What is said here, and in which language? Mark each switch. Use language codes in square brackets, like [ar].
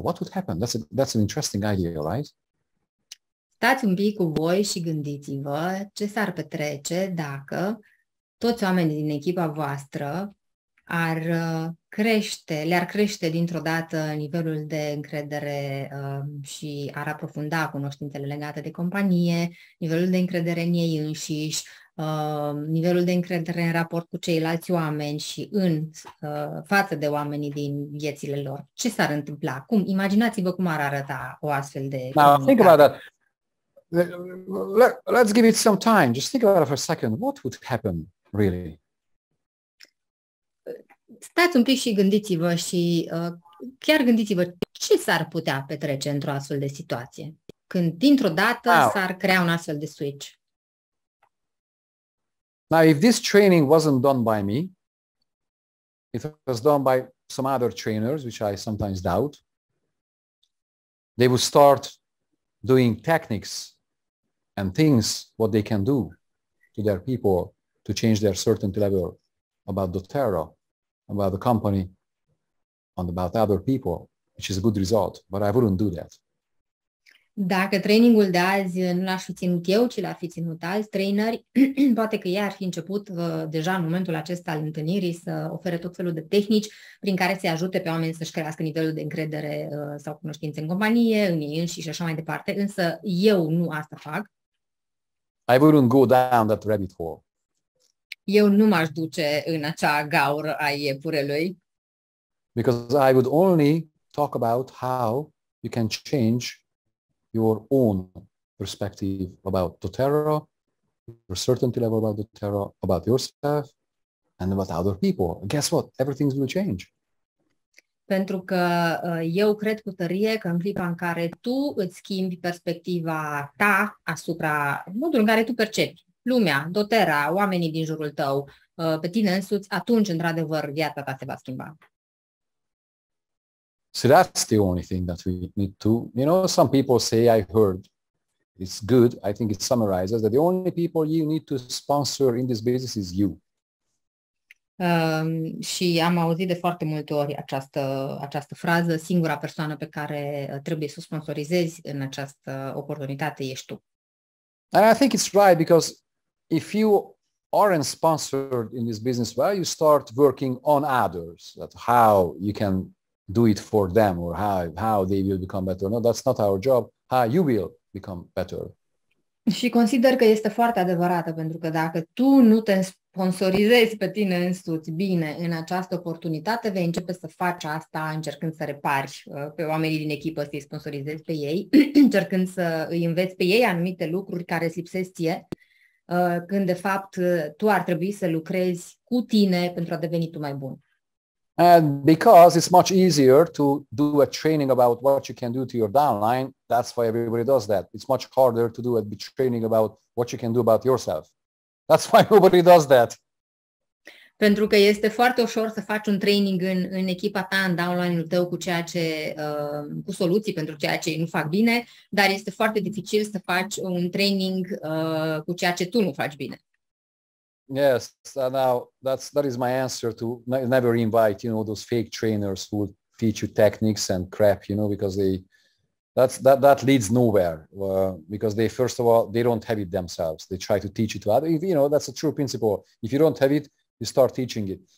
[en] What would happen? That's an interesting idea, right? [ro] Stați un pic cu voi și gândiți-vă ce s-ar petrece dacă toți oamenii din echipa voastră ar crește, le-ar crește dintr-o dată nivelul de încredere și ar aprofunda cunoștințele legate de companie, nivelul de încredere în ei înșiși, nivelul de încredere în raport cu ceilalți oameni și în față de oamenii din viețile lor. Ce s-ar întâmpla? Cum? Imaginați-vă cum ar arăta o astfel de [en] comunicare. Now, think about that. Let's give it some time. Just think about it for a second. What would happen, really? [ro] Stați un pic și gândiți-vă și chiar gândiți-vă ce s-ar putea petrece într-o astfel de situație, când dintr-o dată s-ar crea un astfel de switch. [en] Now, if this training wasn't done by me, it was done by some other trainers, which I sometimes doubt, they would start doing techniques and things what they can do to their people to change their certainty level about doTERRA, about the company, and about other people, which is a good result, but I wouldn't do that. [ro] Dacă trainingul de azi nu l-aș fi ținut eu, ci l-ar fi ținut alți traineri, poate că ei ar fi început deja în momentul acesta al întâlnirii să ofere tot felul de tehnici prin care să-i ajute pe oameni să-și crească nivelul de încredere sau cunoștințe în companie, în ei înșiși și așa mai departe, însă eu nu asta fac. [en] I wouldn't go down that rabbit hole. [ro] Eu nu m-aș duce în acea gaură a iepurelui. [en] Because I would only talk about how you can change your own perspective about doTERRA, your certainty level about doTERRA, about yourself, and about other people. Guess what? Everything will change. [ro] Pentru că eu cred cu tărie că în clipa în care tu îți schimbi perspectiva ta asupra modul în care tu percepi lumea, doTERRA, oamenii din jurul tău, pe tine însuți, atunci, într-adevăr, viața ta se va schimba. [en] So that's the only thing that we need to, you know, some people say, I heard, it's good, I think it summarizes, that the only people you need to sponsor in this business is you. [ro] Și am auzit de foarte multe ori această frază, singura persoană pe care trebuie să o sponsorizezi în această oportunitate ești tu. [en] And I think it's right, because if you aren't sponsored in this business, well, you start working on others, that how you can do it for them, or how they will become better. No, that's not our job. How you will become better. [ro] Și consider că este foarte adevărată, pentru că dacă tu nu te sponsorizezi pe tine însuți bine în această oportunitate, vei începe să faci asta încercând să repari pe oamenii din echipă, să-i sponsorizezi pe ei, încercând să îi înveți pe ei anumite lucruri care îți lipsesc ție, când de fapt tu ar trebui să lucrezi cu tine pentru a deveni tu mai bun. [en] And because it's much easier to do a training about what you can do to your downline, that's why everybody does that. It's much harder to do a training about what you can do about yourself. That's why nobody does that. [ro] Pentru că este foarte ușor să faci un training în echipa ta, în downline-ul tău, cu ceea ce cu soluții pentru ceea ce ei nu fac bine, dar este foarte dificil să faci un training cu ceea ce tu nu faci bine. [en] Yes, so now that is my answer to never invite, you know, those fake trainers who teach you techniques and crap, you know, because that leads nowhere. Because they, first of all, they don't have it themselves. They try to teach it to others. You know, that's a true principle. If you don't have it, you start teaching it.